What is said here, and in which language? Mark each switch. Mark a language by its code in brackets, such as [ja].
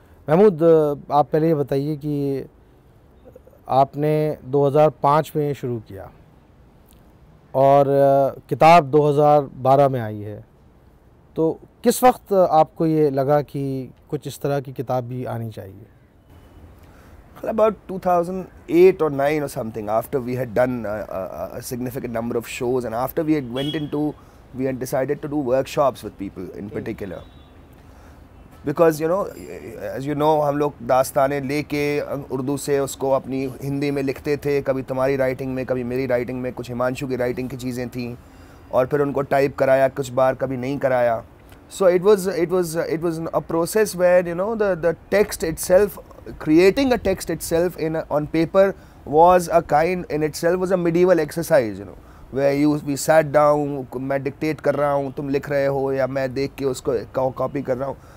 [hi] महमूद, आप पहले ये बताइए कि आपने 2005 में शुरू किया और किताब 2012 में आई है, तो किस वक्त आपको ये लगा कि कुछ इस तरह की किताब भी आनी चाहिए? [en] About 2008 or 9 or something, after we had done a significant number of shows and after we had went into, we had decided to do workshops with people in particular. Because, you know, as you know, [hi] हम लोग दास्तानें लेके उर्दू से उसको अपनी हिंदी में लिखते थे, कभी तुम्हारी राइटिंग में, कभी मेरी राइटिंग में, कुछ हिमांशु की राइटिंग की चीज़ें थी और फिर उनको टाइप कराया कुछ बार, कभी नहीं कराया. [en] So it was a process where, you know, the text itself, creating a text itself on paper was a kind in itself was a medieval exercise, you know, where we sat down, [hi] मैं dictate कर रहा हूँ, [en] तुम लिख रहे हो, या मैं देख के उसको copy कर रहा हूँ.